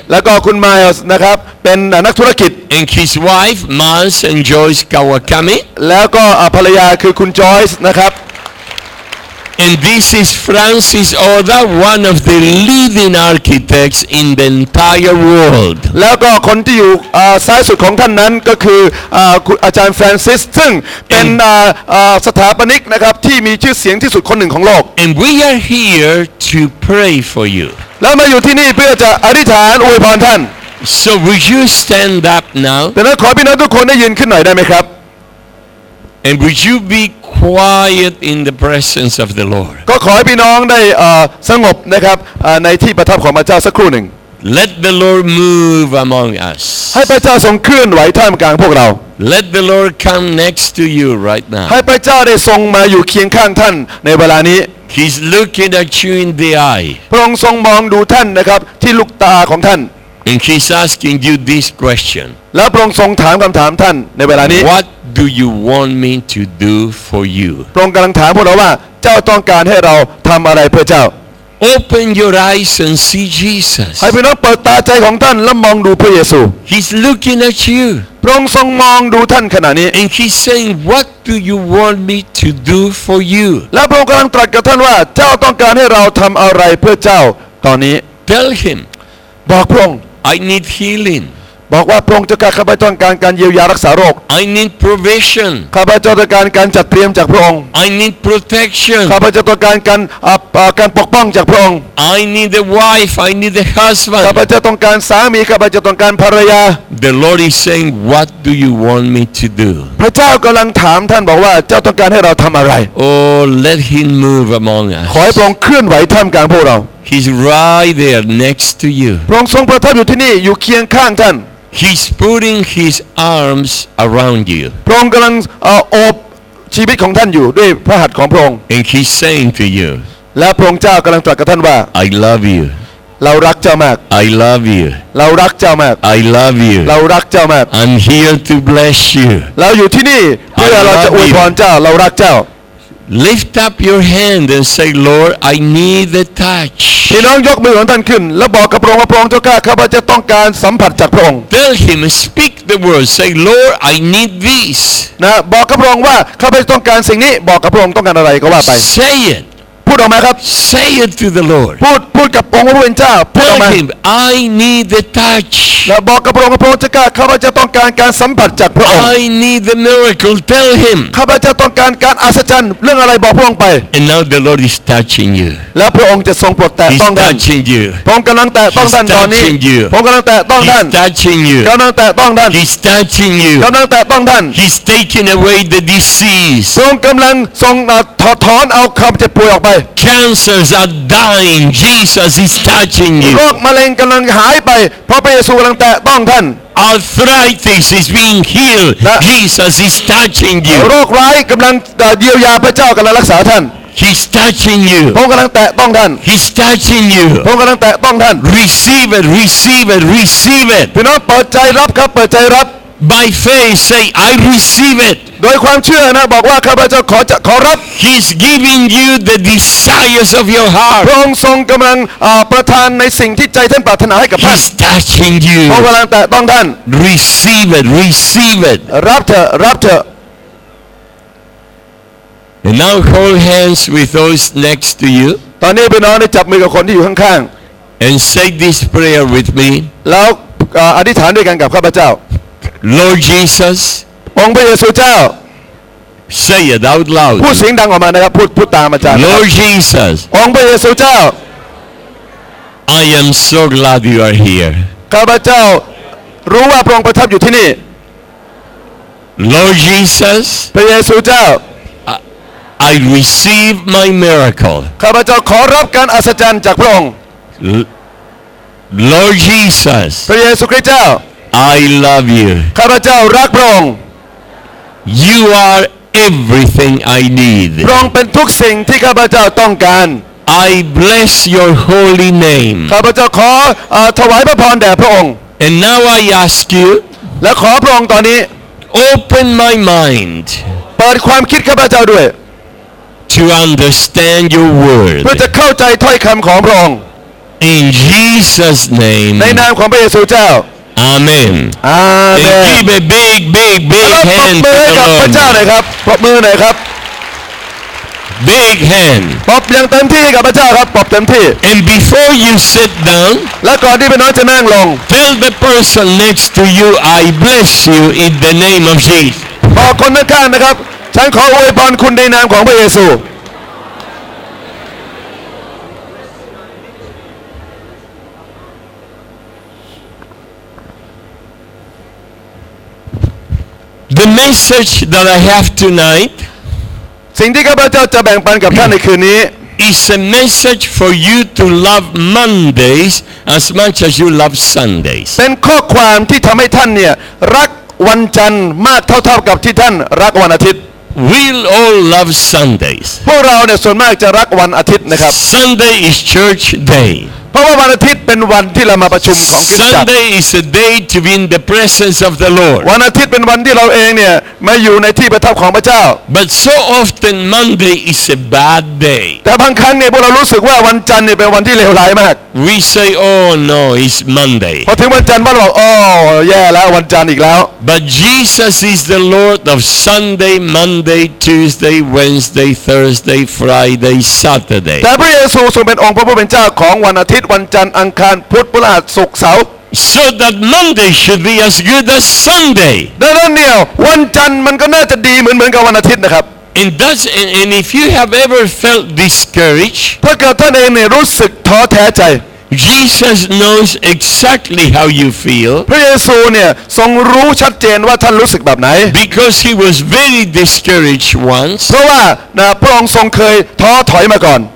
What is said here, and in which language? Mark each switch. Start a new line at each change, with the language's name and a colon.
Thai: แล้วก็คุณไมล์นะครับเป็นนักธุรกิจ
English: and his wife Miles and Joyce Kawakami
Thai: แล้วก็ภรรยาคือคุณ Joyce นะครับ
English: And this is Francis Oda, one of the leading architects in the entire world.
Thai: แล้วก็คนที่อยู่ซ้ายสุดของท่านนั้นก็คืออาจารย์ Francis ซึ่งเป็นสถาปนิกนะครับที่มีชื่อเสียงที่สุดคนหนึ่งของโลก
English: And we are here to pray for you.
Thai: แล้วมาอยู่ที่นี่เพื่อจะอธิษฐานอวยพรท่าน
English: So will you stand up now?
Thai: แล้วขอพี่น้องทุกคนได้ยืนขึ้นหน่อยได้ไหมครับ
English: And would you be quiet in the presence of the Lord?
Thai: ก็ขอให้พี่น้องได้สงบนะครับในที่ประทับของพระเจ้าสักครู่หนึ่ง
English: Let the Lord move among us.
Thai: ให้พระเจ้าทรงเคลื่อนไหวท่ามกลางพวกเรา
English: Let the Lord come next to you right now.
Thai: ให้พระเจ้าได้ทรงมาอยู่เคียงข้างท่านในเวลานี้
English: He's looking at you in the eye.
Thai: พระองค์ทรงมองดูท่านนะครับที่ลูกตาของท่าน
English: And He's asking you this question.
Thai: แล้วพระองค์ทรงถามคำถามท่านในเวลานี้
English: What do you want me to do for you
Thai: พระองค์กำลังถามพวกเราว่าเจ้าต้องการให้เราทำอะไรเพื่อเจ้า
English: Open your eyes and see Jesus
Thai: ให้พี่น้องเปิดตาใจของท่านแล้วมองดูพระเยซู
English: He's looking at you
Thai: พระองค์ทรงมองดูท่านขณะนี้
English: And he's saying What do you want me to do for you
Thai: แล้วพระองค์กำลังตรัสกับท่านว่าเจ้าต้องการให้เราทำอะไรเพื่อเจ้าตอนนี้
English: Tell him
Thai: บอกพระองค์
English: I need healing
Thai: บอกว่าพระองค์จะการข้าพเจ้าการเยียวยารักษาโรค
English: I need provision
Thai: ข้าพเจ้าต้องการการจัดเตรียมจากพระองค์
English: I need protection
Thai: ข้าพเจ้าต้องการการปกป้องจากพระองค์
English: I need a wife I need a husband
Thai: ข้าพเจ้าต้องการสามีข้าพเจ้าต้องการภรรยา
English: The Lord is saying what do you want me to do
Thai: พระเจ้ากำลังถามท่านบอกว่าเจ้าต้องการให้เราทำอะไร
English: Oh let him move among us
Thai: ขอให้พระองค์เคลื่อนไหวท่ามกลางพวกเรา
English: He's right there next to you
Thai: พระองค์ทรงประทับอยู่ที่นี่อยู่เคียงข้างท่าน
English: He's putting his arms around you.
Thai: พระองค์กำลังโอบชีวิตของท่านอยู่ด้วยพระหัตถ์ของพระองค์
English: And he's saying to you.
Thai: และพระองค์เจ้ากำลังตรัสกับท่านว่า
English: I love you.
Thai: เรารักเจ้ามาก
English: I love you
Thai: เรารักเจ้ามาก
English: I love you
Thai: เรารักเจ้ามาก
English: I'm here to bless you
Thai: เราอยู่ที่นี่เพื่อเราจะอวยพรเจ้าเรารักเจ้า
English: Lift up your hand and say Lord I need the touch
Thai: พี่น้องยกมือของท่านขึ้นแล้วบอกกับพระองค์ว่าพระองค์เจ้าข้าพเจ้าต้องการสัมผัสจากพระองค์
English: Tell him speak the word say Lord I need this
Thai: นะบอกกับพระองค์ว่าข้าพเจ้าต้องการสิ่งนี้บอกกับพระองค์ต้องการอะไรก็ว่าไป
English: Say it
Thai: พูดออกมาครับ
English: Say it to the Lord
Thai: พูดกับองค์พระผู้เป็นเจ้าพูดออกมา
English: Tell him I need the touch
Thai: แล้วบอกกับองค์พระเจ้าข้าพเจ้าต้องการการสัมผัสจากพระองค์
English: I need the miracle Tell him
Thai: ข้าพเจ้าต้องการการอัศจรรย์เรื่องอะไรบอกพระองค์ไป
English: And now the Lord is touching you
Thai: แล้วพระองค์จะทรงโปรดแตะต้องท่าน
English: He's touching you
Thai: พระองค์กำลังแตะต้องท่านตอนนี้ พระองค์กำลังแตะต้องท่าน
English: He's touching you
Thai: กำลังแตะต้องท่าน
English: He's touching you
Thai: กำลังแตะต้องท่าน
English: He's taking away the disease
Thai: พระองค์กำลังทรงถอนเอาความเจ็บป่วยออกไป
English: Cancers are dying. Jesus is touching you.
Thai: โรคมะเร็งกำลังหายไปเพราะพระเยซูกำลังแตะต้องท่าน
English: Arthritis is being healed. Jesus is touching you.
Thai: โรคร้ายกำลังเยียวยาพระเจ้ากำลังรักษาท่าน
English: He's touching you.
Thai: พระองค์กำลังแตะต้องท่าน
English: He's touching you.
Thai: พระองค์กำลังแตะต้องท่าน
English: Receive it. Receive it. Receive it.
Thai: พี่น้องเปิดใจรับครับเปิดใจรับ
English: By faith, say I receive it.
Thai: โดยความเชื่อนะบอกว่าข้าพเจ้าขอจะขอรับ
English: He's giving you the desires of your heart
Thai: พระองค์ทรงกำลังประทานในสิ่งที่ใจท่านปรารถนาให้กับท่าน
English: He's touching you
Thai: พระองค์กำลังแตะต้องท่าน
English: Receive it receive it
Thai: รับเถอะรับเถอะ
English: And now hold hands with those next to you
Thai: ตอนนี้พี่น้องได้จับมือกับคนที่อยู่ข้าง
English: ๆ And say this prayer with me
Thai: แล้วอธิษฐานด้วยกันกับข้าพเจ้า
English: Lord Jesus
Thai: องค์พระเยซูเจ้า
English: Say it out loud
Thai: พูดเสียงดังออกมานะครับพูดตามอาจารย์
English: Lord Jesus
Thai: องค์พระเยซูเจ้า
English: I am so glad you are here
Thai: ข้าพเจ้ารู้ว่าพระองค์ประทับอยู่ที่นี่
English: Lord Jesus
Thai: พระเยซูเจ้า
English: I receive my miracle
Thai: ข้าพเจ้าขอรับการอัศจรรย์จากพระองค์
English: Lord Jesus
Thai: พระเยซูคริสต์เจ้า
English: I love you
Thai: ข้าพเจ้ารักพระองค์
English: You are everything I need.
Thai: พระองค์เป็นทุกสิ่งที่ข้าพเจ้าต้องการ
English: I bless your holy name.
Thai: ข้าพเจ้าขอถวายพระพรแด่พระองค์
English: And now I ask you.
Thai: และขอพระองค์ตอนนี้
English: Open my mind.
Thai: เปิดความคิดข้าพเจ้าด้วย
English: To understand your word.
Thai: เพื่อจะเข้าใจถ้อยคำของพระองค์
English: In Jesus name.
Thai: ในนามของพระเยซูเจ้า
English: Amen. Amen. And give a big, big, big hand to the Lord.
Thai: ปรบมือให้กับพระเจ้าหน่อยครับปรบมือหน่อยครับ
English: Big hand.
Thai: ปรบอย่างเต็มที่กับพระเจ้าครับปรบเต็มที่
English: And before you sit down,
Thai: และก่อนที่พี่น้องจะนั่งลง
English: Tell the person next to you, I bless you in the name of Jesus.
Thai: บอกคนข้างๆนะครับฉันขออวยพรคุณในนามของพระเยซู
English: The message that I have tonight
Thai: สิ่งที่ข้าพเจ้าจะแบ่งปันกับท่านในคืนนี้
English: is a message for you to love Mondays as much as you love Sundays
Thai: เป็นข้อความที่ทำให้ท่านเนี่ยรักวันจันทร์มากเท่าๆกับที่ท่านรักวันอาทิตย์
English: We'll all love Sundays
Thai: พวกเราเนี่ยส่วนมากจะรักวันอาทิตย์นะครับ
English: Sunday is church day
Thai: เพราะว่าวันอาทิตย์เป็นวันที่เรามาประชุมของคริสตจักร
English: Sunday is a day to be in the presence of the Lord
Thai: วันอาทิตย์เป็นวันที่เราเองเนี่ยมาอยู่ในที่ประทับของพระเจ้า
English: But so often Monday is a bad day
Thai: แต่บางครั้งเนี่ยพวกเรารู้สึกว่าวันจันทร์เนี่ยเป็นวันที่เลวร้ายมาก
English: We say oh no it's Monday
Thai: พอถึงวันจันทร์เราบอกโอ้แย่แล้ววันจันทร์อีกแล้ว
English: But Jesus is the Lord of Sunday Monday Tuesday Wednesday Thursday Friday Saturday
Thai: แต่พระเยซูทรงเป็นองค์พระผู้เป็นเจ้าของวันอาทิตย์วันจันทร์อังคารพุธพฤหัสศุกร์เสาร์
English: so that Monday should be as good as Sunday
Thai: ดังนั้นเนี่ยวันจันทร์มันก็น่าจะดีเหมือนกับวันอาทิตย์นะครับ
English: and does and if you have ever felt discouraged
Thai: ถ้าเกิดท่านเองเนี่ยรู้สึกท้อแท้ใจ
English: Jesus knows exactly how you feel
Thai: พระเยซูเนี่ยทรงรู้ชัดเจนว่าท่านรู้สึกแบบไหน
English: because he was very discouraged once
Thai: เพราะว่านะพระองค์ทรงเคยท้อถอยมาก่อน